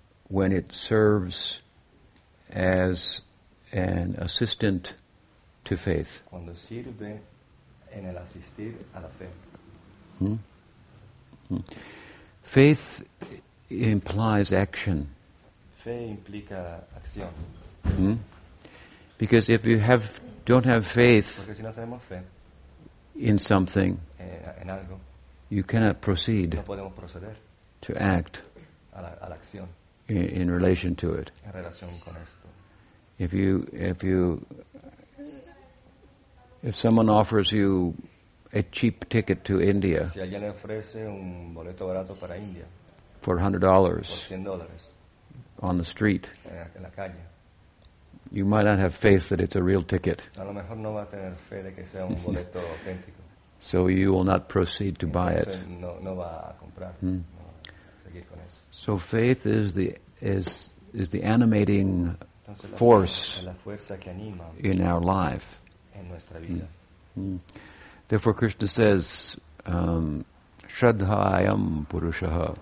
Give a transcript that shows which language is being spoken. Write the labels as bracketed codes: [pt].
[en] When it serves as an assistant to faith. [es] Cuando sirve en el asistir a la fe. [en] Faith implies action. [es] Fe implica acción. [en] Because if you don't have faith, [es] porque si no tenemos fe, [en] in something, [es] en algo, [en] you cannot proceed, [es] no podemos proceder, [en] to act [es] a la acción, [en] in relation to it. [es] En relación con esto. [en] If someone offers you a cheap ticket to India, [es] si alguien le ofrece un boleto barato para India [en] for $100 [es] $100 [en] on the street, [es] en la calle, [en] you might not have faith that it's a real ticket. [es] A lo mejor no va a tener fe de que sea un boleto auténtico. [en] So you will not proceed to buy it. [es] No va a comprar. No va a seguir con eso. [en] So faith is the animating force [es] la fuerza que anima [en] in our life. [es] En nuestra vida. [en] Therefore, Krishna says, Shraddhayam Purushaha.